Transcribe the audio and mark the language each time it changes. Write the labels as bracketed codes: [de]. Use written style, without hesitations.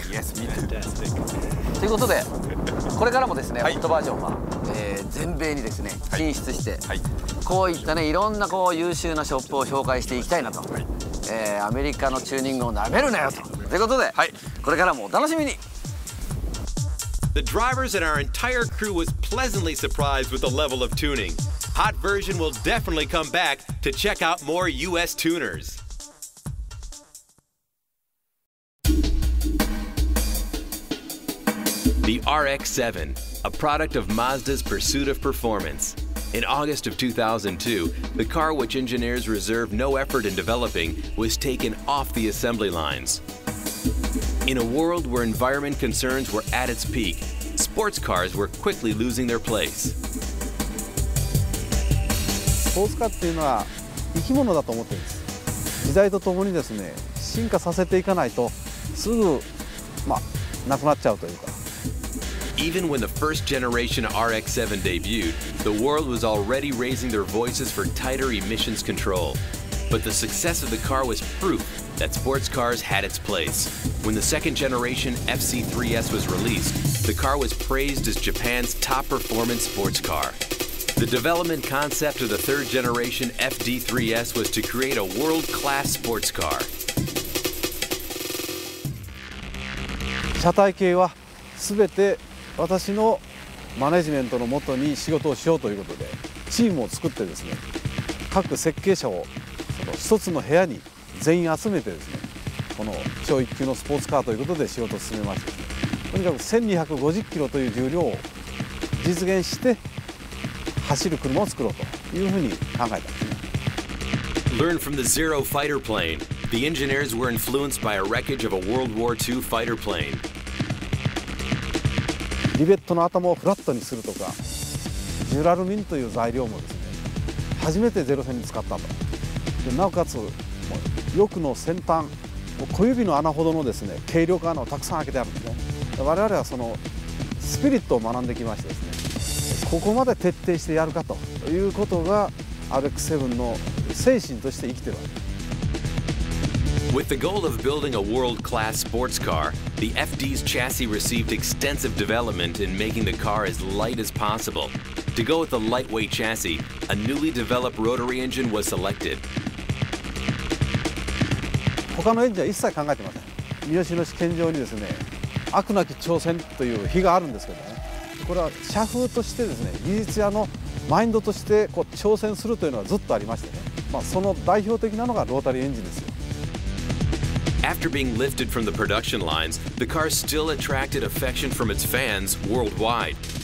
[en] Yes, me too。 [ja] ということでこれからもですね、はい、ホットバージョンは、全米にですね進出して、はいはい、こういったねいろんなこう優秀なショップを紹介していきたいなと、はい、アメリカのチューニングをなめるなよと、ということで、はい、これからもお楽しみに。 [en] The drivers and our entire crew was pleasantly surprised with the level of tuning. Hot version will definitely come back to check out more US tuners. The RX-7, a product of Mazda's pursuit of performance. In August of 2002, the car which engineers reserved no effort in developing was taken off the assembly lines. In a world where environment concerns were at its peak, sports cars were quickly losing their place. [ja] Sports car っていうのは生き物だと思ってるんです。時代とともにですね、進化させていかないとすぐまあなくなっちゃうというか。 [en] Even when the first generation RX-7 debuted, the world was already raising their voices for tighter emissions control. But the success of the car was proof that sports cars had its place. When the second generation FC3S was released, the car was praised as Japan's top performance sports car. The development concept of the third generation FD3S was to create a world-class sports car. [ja] 車体系は全て私のマネジメントのもとに仕事をしようということでチームを作ってですね、各設計者をその一つの部屋に全員集めてですね、この超一級のスポーツカーということで仕事を進めました。とにかく1250キロという重量を実現して走る車を作ろうというふうに考えたんですね。 [en] Learn from the Zero fighter plane. The engineers were influenced by a wreckage of a World War II fighter plane. [ja] リベットの頭をフラットにするとか、ジュラルミンという材料もですね、初めてゼロ戦に使ったと。でなおかつ、翼の先端、小指の穴ほどのですね、軽量化のたくさん開けてあるんですね。我々はそのスピリットを学んできましてですね、ここまで徹底してやるかということが、RX-7 の精神として生きてるわけです。 [en] With the goal of building a world-class sports car, the FD's chassis received extensive development in making the car as light as possible. To go with the lightweight chassis, a newly developed rotary engine was selected. [ja] 他のエンジンは一切考えてません。三好の試験場にですね、飽くなき挑戦という日があるんですけどね。これは社風としてですね、技術屋のマインドとしてこう挑戦するというのはずっとありましてね、まあ、その代表的なのがロータリーエンジンですよ。 [en] After being lifted from the production lines, the car still attracted affection from its fans worldwide.